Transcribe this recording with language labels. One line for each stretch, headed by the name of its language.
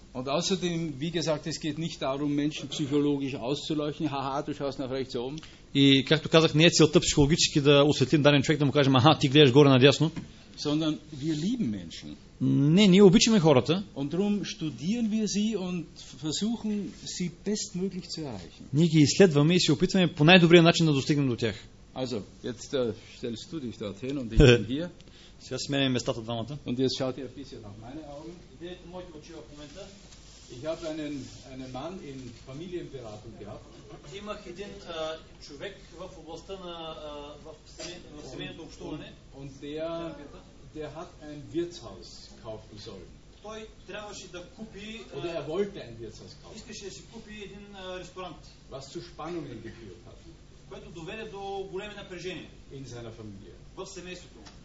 German: Und außerdem, wie gesagt, es geht nicht darum, Menschen psychologisch auszuleuchten. Haha, du schaust nach rechts oben.
Bulgarian: И както казах, не е целта психологически да осветлим даден човек, да му кажем, аха, ти гледаш горе надясно.
German: Sondern wir lieben Menschen.
Bulgarian: Не, ние обичаме хората.
German: Und darum studieren wir sie und versuchen sie bestmöglich zu erreichen.
Bulgarian: Ние ги изследваме и се опитваме по най-добрия начин да достигнем до тях.
German: Also, jetzt stellst du dich dorthin und ich bin hier.
Bulgarian: Сега сменяме местата двамата.
German: Und jetzt schaut ihr ein bisschen nach meine Augen.
Bulgarian: Идете моите очи в момента.
German: Ich habe einen Mann in Familienberatung gehabt.
Bulgarian: Имах един човек в областта на семейното общуване.
German: Und der hat ein Wirtshaus kaufen sollen.
Bulgarian: Той трябваше да купи.
German: Oder er wollte ein Wirtshaus kaufen.
Bulgarian: Искаше да си купи един ресторант.
German: Was zu Spannungen geführt hat.
Bulgarian: Което доведе до големи напрежения.
German: In seiner Familie.
Bulgarian: В семейството.